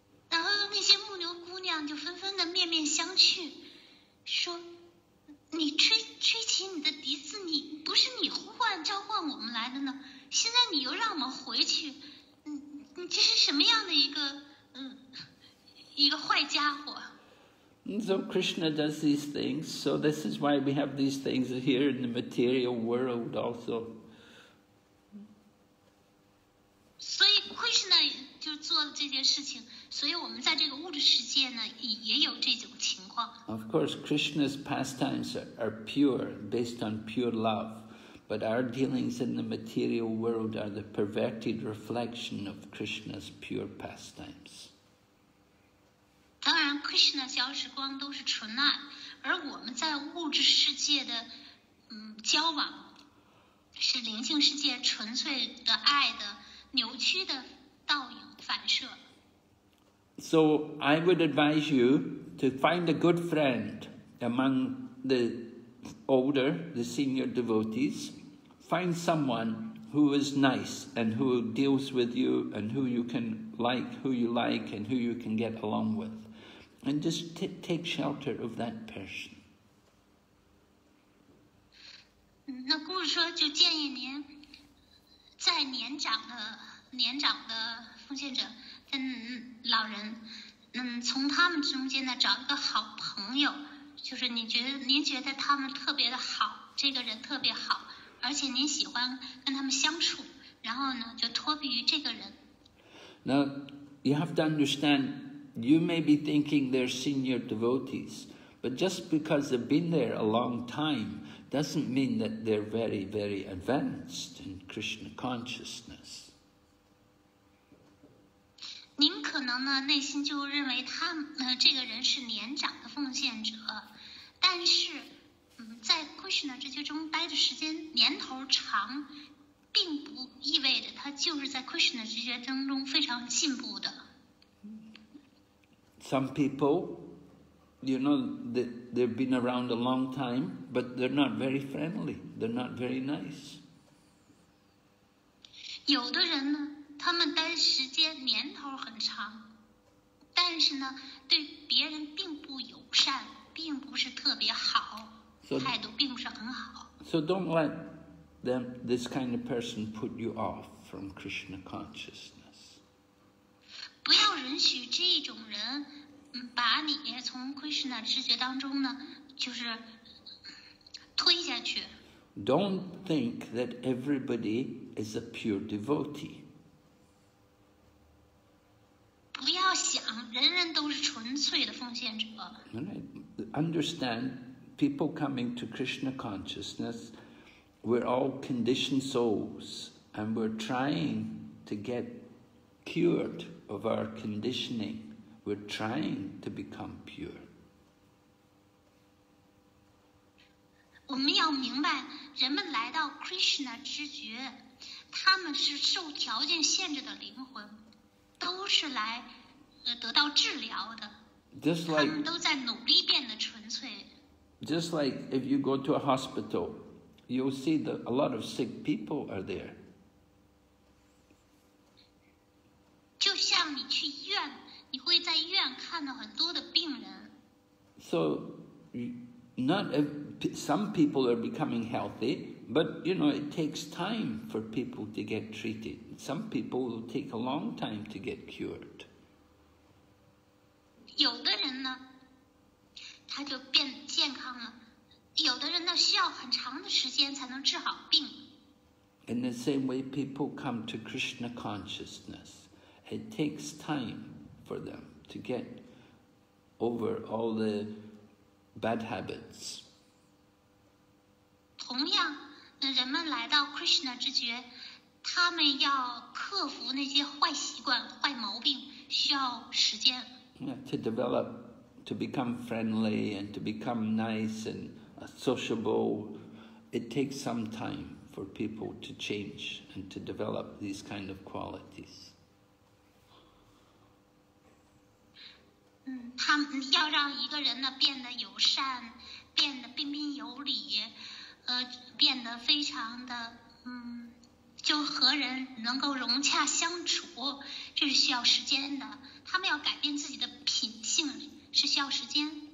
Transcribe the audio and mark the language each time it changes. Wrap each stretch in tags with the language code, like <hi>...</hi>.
<zh>然后那些牧牛姑娘就纷纷地面面相觑，说，你吹起你的笛子，你不是你呼唤召唤我们来的呢？现在你又让我们回去，你这是什么样的一个一个坏家伙。</zh> <en>So Krishna does these things, so this is why we have these things here in the material world also.</en> <zh>所以 Krishna 就做了这件事情，所以我们在这个物质世界呢也有这种情况。</zh> <en>Of course, Krishna's pastimes are pure, based on pure love, but our dealings in the material world are the perverted reflection of Krishna's pure pastimes.</en> <zh>当然 ，Krishna 消失光都是纯爱，而我们在物质世界的交往，是灵性世界纯粹的爱的扭曲的倒影反射。</zh> <en>So I would advise you to find a good friend among the older, the senior devotees. Find someone who is nice and who deals with you and who you can like, who you like and who you can get along with. And just take shelter of that person.</en> <zh>那故事说，就建议您在年长的奉献者跟老人，从他们中间呢找一个好朋友，就是您觉得他们特别的好，这个人特别好，而且您喜欢跟他们相处，然后呢就托庇于这个人。</zh> <en>Now you have to understand. You may be thinking they're senior devotees, but just because they've been there a long time doesn't mean that they're very, very advanced in Krishna consciousness.</en> <zh>您可能呢内心就认为他这个人是年长的奉献者，但是在 Krishna 这些中待的时间年头长，并不意味着他就是在 Krishna 这些当中非常进步的。</zh> <en>Some people, you know, they've been around a long time, but they're not very friendly. They're not very nice.</en> <zh>有的人呢，他们待时间年头很长，但是呢，对别人并不友善，并不是特别好，</zh> <en>so,</en> <zh>态度并不是很好。</zh> <en>So don't let them, this kind of person put you off from Krishna consciousness.</en> <zh>不要允许这种人把你从 Krishna 知觉当中呢就是推下去。</zh> <en>Don't think that everybody is a pure devotee.</en> <zh>不要想人人都是纯粹的奉献者。</zh> <en>Understand, people coming to Krishna consciousness, we're all conditioned souls and we're trying to get cured. Of our conditioning, we're trying to become pure.</en> <zh>我们要明白，人们来到 Krishna 知觉，他们是受条件限制的灵魂，都是来得到治疗的。</zh> <en>Just like</en> <zh>他们都在努力变得纯粹。</zh> <en>Just like if you go to a hospital, you'll see that a lot of sick people are there.</en> <zh>就像你去医院，你会在医院看到很多的病人。</zh> <en>So, not if, some people are becoming healthy, but you know it takes time for people to get treated. Some people will take a long time to get cured.</en> <zh>有的人呢，他就变健康了；有的人呢，需要很长的时间才能治好病。</zh> <en>In the same way, people come to Krishna consciousness. It takes time for them to get over all the bad habits.</en> <zh>同样，人们来到 Krishna 知觉，他们要克服那些坏习惯、坏毛病，需要时间。</zh> <en>Yeah, to develop, to become friendly and to become nice and sociable, it takes some time for people to change and to develop these kind of qualities.</en> <zh>他要让一个人呢变得友善，变得彬彬有礼，变得非常的就和人能够融洽相处，这是需要时间的。他们要改变自己的品性是需要时间。</zh>